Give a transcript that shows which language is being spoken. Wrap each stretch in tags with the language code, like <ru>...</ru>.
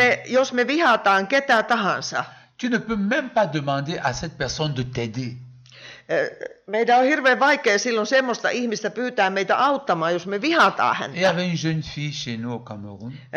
<fi>Jos me vihataan ketä tahansa.</fi> <fr>Tu ne peux même pas demander à cette personne de t'aider.</fr> <fi>Meidän on hirveän vaikea silloin semmoista ihmistä pyytää meitä auttamaan, jos me vihataan häntä.</fi> <fr>Il y avait une jeune fille chez nous au Cameroun.</fr>